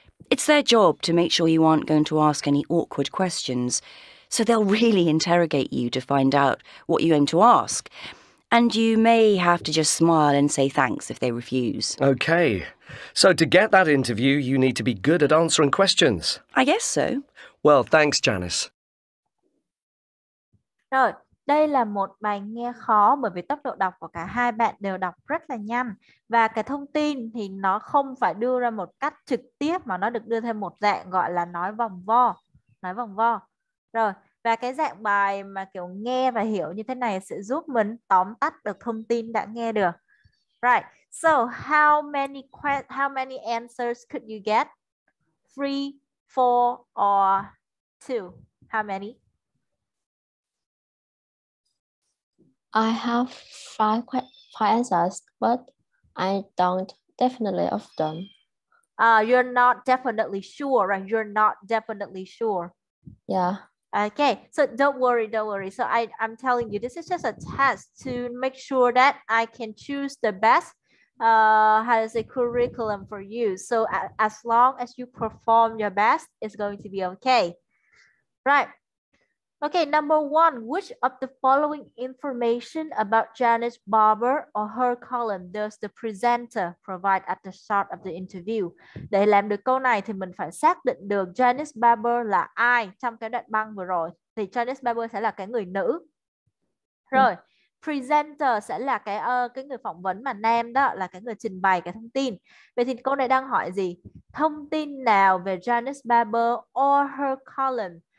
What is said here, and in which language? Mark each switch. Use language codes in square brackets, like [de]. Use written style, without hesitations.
[en] It's their job to make sure you aren't going to ask any awkward questions, so they'll really interrogate you to find out what you aim to ask. And you may have to just smile and say thanks if they refuse. Okay. So to get that interview, you need to be good at answering questions. I guess so. Well, thanks, Janice. [vi] Rồi, đây là một bài nghe khó bởi vì tốc độ đọc của cả hai bạn đều đọc rất là nhanh. Và cái thông tin thì nó không phải đưa ra một cách trực tiếp mà nó được đưa theo một dạng gọi là nói vòng vo. Nói vòng vo. Rồi, và cái dạng bài mà kiểu nghe và hiểu như thế này sẽ giúp mình tóm tắt được thông tin đã nghe được. [en] Right, so how many answers could you get? 3, 4, or 2? How many? I have five answers, but I don't definitely of them. You're not definitely sure, right? You're not definitely sure. Yeah. Okay, so don't worry. So I'm telling you, this is just a test to make sure that I can choose the best curriculum for you. So as long as you perform your best, it's going to be okay. Right. Okay, number one, which of the following information about Janice Barber or her column does the presenter provide at the start of the interview? [vi] Để làm được câu này thì mình phải xác định được Janice Barber là ai trong cái đoạn băng vừa rồi. Thì Janice Barber sẽ là cái người nữ. Rồi, presenter sẽ là cái người phỏng vấn mà nam đó, là cái người trình bày cái thông tin. Vậy thì câu này đang hỏi gì? Thông tin nào về Janice Barber [en] or her column?